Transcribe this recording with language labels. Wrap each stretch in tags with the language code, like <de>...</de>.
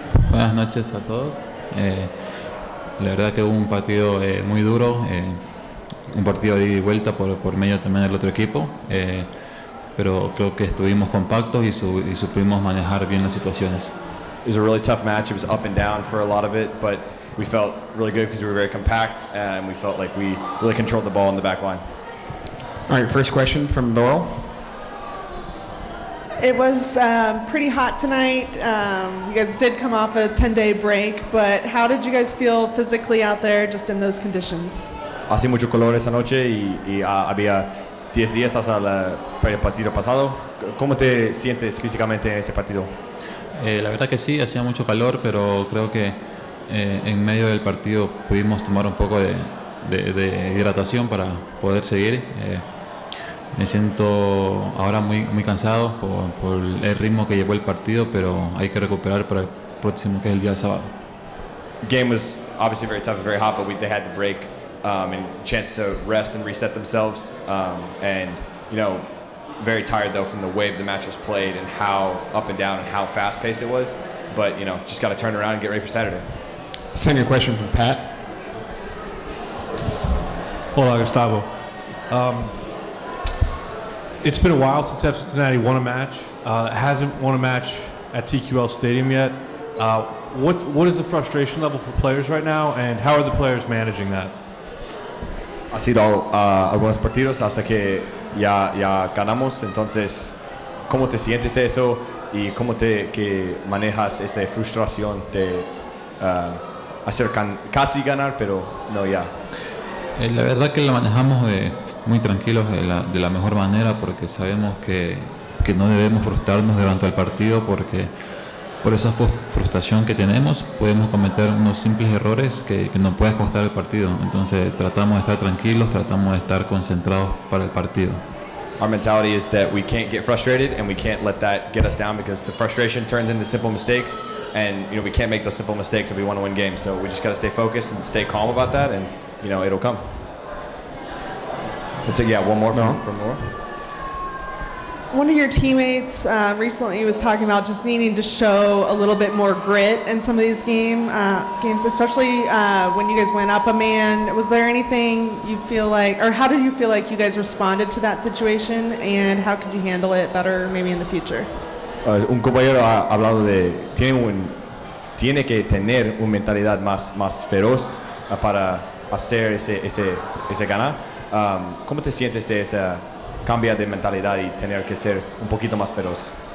<es>Buenas noches a todos. La verdad que hubo un partido muy duro, un partido de ida y vuelta por medio también del otro equipo, pero creo que estuvimos compactos y supimos manejar bien las situaciones.</es> <en>It was a really tough match. It was up and down for a lot of it, but we felt really good because we were very compact and we felt like we really controlled the ball in the back line. All right, first question from Laurel. It was pretty hot tonight. You guys did come off a 10-day break, but how did you guys feel physically out there, just in those conditions?</en> <es>Hace mucho calor esa noche y había 10 días hasta el partido pasado. ¿Cómo te sientes físicamente en ese partido? La verdad que sí, hacía mucho calor, pero creo que en medio del partido pudimos tomar un poco de hidratación para poder seguir. Me siento ahora muy muy cansado por el ritmo que llevó el partido, pero hay que recuperar para el próximo, que es el día sábado.</es> <en>The game was obviously very tough and very hot, but they had the break and chance to rest and reset themselves. And you know, very tired though from the way the match was played and how up and down and how fast paced it was. But you know, just got to turn around and get ready for Saturday. Send your question from Pat.</en> <es>Hola, Gustavo.</es> <en>It's been a while since FC Cincinnati won a match. Hasn't won a match at TQL Stadium yet. What is the frustration level for players right now, and how are the players managing that?</en> <es>Ha sido algunos partidos hasta que ya ganamos. Entonces, ¿cómo te sientes de eso, y cómo te que manejas esa frustración de hacer casi ganar, pero no ya? La verdad que la manejamos muy tranquilos de la mejor manera, porque sabemos que no debemos frustrarnos durante el partido, porque por esa frustración que tenemos podemos cometer unos simples errores que nos pueden costar el partido. Entonces tratamos de estar tranquilos, tratamos de estar concentrados para el partido.</es> <en>Our mentality is that we can't get frustrated and we can't let that get us down, because the frustration turns into simple mistakes, and you know, we can't make those simple mistakes if we want to win games. So we just got to stay focused and stay calm about that, and you know, it'll come. We'll take, yeah, one more from Laura. One of your teammates recently was talking about just needing to show a little bit more grit in some of these games, especially when you guys went up a man. Was there anything you feel like, or how did you feel like you guys responded to that situation, and how could you handle it better maybe in the future?</en> <es>Un compañero ha hablado de tiene que tener una mentalidad más feroz para hacer ese ganar. ¿Cómo te sientes de esa cambia de mentalidad y tener que ser un poquito más feroz?</es>